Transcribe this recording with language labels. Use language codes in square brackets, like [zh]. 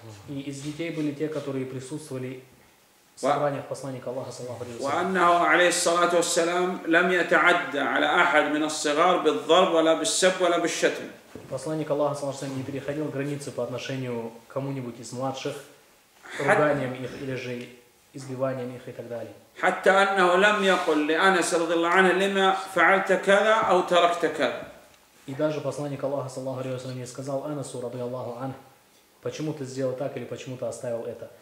[ru] И из детей были те, которые присутствовали в собраниях посланника Аллаха саллаллаху алейхи ва саллям. [ar] وَأَنَّهُ عَلَيْهِ الصَّلَاةُ وَالسَّلَامُ لَمْ يَتَعَدَّ عَلَى أَحَدٍ مِنَ الصِّغَارِ بِالضَّرْبِ وَلَا بِالسَّبِّ وَلَا بِالشَّتْمِ. [ru] Посланник Аллаха саллаллаху алейхи ва саллям не переходил границы по отношению к кому-нибудь из младших руганием их или же избиванием их и так далее. [ar] حتى أنه لم يقل لأنس رضي الله عنه لما فعلت كذا أو تركت كذا. [ru] И даже посланник Аллаха саллаллаху алейхи ва саллям не сказал Анасу [ar] رضي الله عنه, [ru] почему ты сделал так или почему ты оставил это.